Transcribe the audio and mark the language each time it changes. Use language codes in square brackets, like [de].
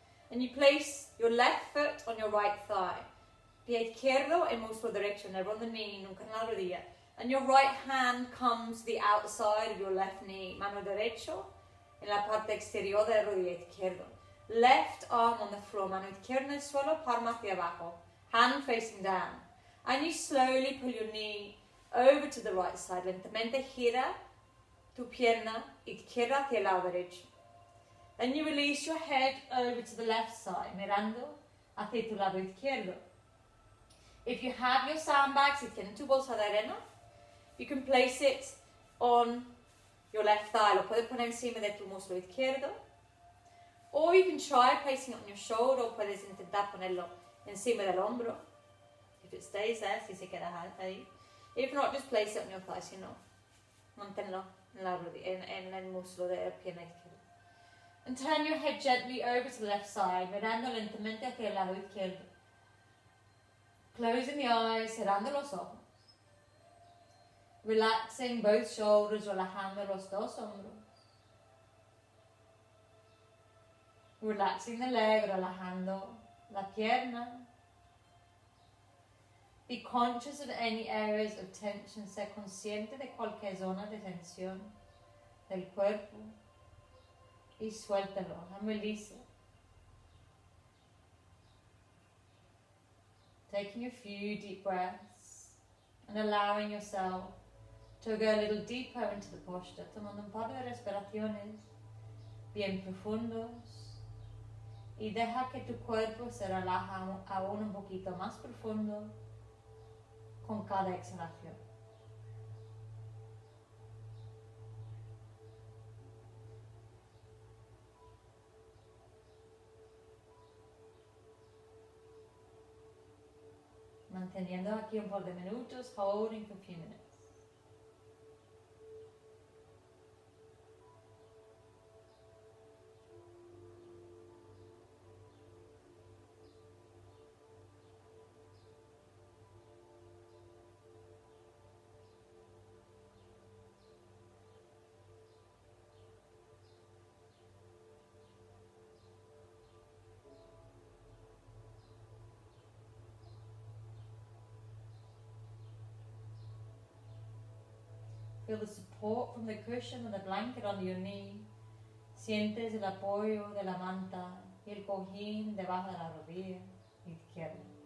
[en] And you place your left foot on your right thigh. [es] Pie izquierdo, el muslo derecho, [en] never on the knee, [es] nunca en la rodilla. [en] And your right hand comes to the outside of your left knee. [es] Mano derecho, en la parte exterior de la rodilla izquierda. [en] Left arm on the floor, [es] mano izquierda en el suelo, palma hacia abajo. [en] Hand facing down. And you slowly pull your knee over to the right side. [es] Lentamente gira tu pierna izquierda hacia el lado derecho. [en] Then you release your head over to the left side, [es] mirando hacia tu lado izquierdo. [en] If you have your sandbags, [es] si tienes tu bolsa de arena, [en] you can place it on your left thigh. [es] Lo puedes poner encima de tu muslo izquierdo. [en] Or you can try placing it on your shoulder, [es] o puedes intentar ponerlo encima del hombro. [en] If it stays there, [es] si se queda ahí. [en] If not, just place it on your thigh, you know. [es] Manténlo en la rodilla, en el muslo de la pierna izquierda. [en] And turn your head gently over to the left side, [es] mirando lentamente hacia el lado izquierdo. [en] Closing the eyes, [es] cerrando los ojos. [en] relaxing both shoulders, [es] relajando los dos hombros. [en] Relaxing the leg, [es] relajando la pierna. [en] Be conscious of any areas of tension. [es] Sé consciente de cualquier zona de tensión del cuerpo. Y suéltalo, [en] and release it. Taking a few deep breaths and allowing yourself to go a little deeper into the posture. [es] Tomando un par de respiraciones bien profundos. Y deja que tu cuerpo se relaja aún un poquito más profundo con cada exhalación. Manteniendo aquí un par de minutos, [en] holding for a few minutes. Feel the support from the cushion and the blanket under your knee. [es] Sientes el apoyo de la manta y el cojín debajo de la rodilla izquierda.